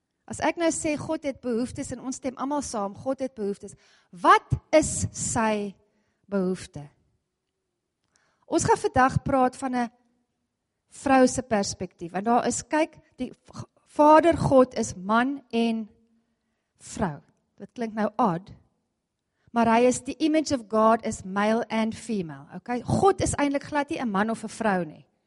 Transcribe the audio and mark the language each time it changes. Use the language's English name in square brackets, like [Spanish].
[Afrikaans] As ek nou sê, God het behoeftes, en ons stem allemaal saam, God het behoeftes, wat is sy behoefte? Ons gaan vandag praat van 'n vrou se perspektief, want daar is, kyk, die Vader God is man en vrou. Dit klink nou odd. Maar hy is, [English] the image of God is male and female. Okay? [Afrikaans] God is eintlik glad nie 'n man of 'n vrou nie.